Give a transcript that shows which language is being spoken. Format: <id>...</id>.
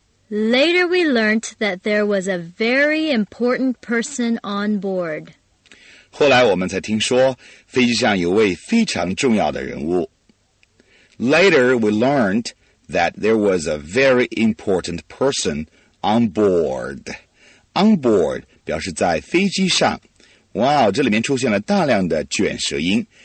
<en>Later we learned that there was a very important person on board.</en> <zh>后来我们才听说飞机上有位非常重要的人物。</zh> <en>Later we learned that there was a very important person on board.</en> <zh>On board 表示在飞机上。哇，这里面出现了大量的卷舌音。</zh>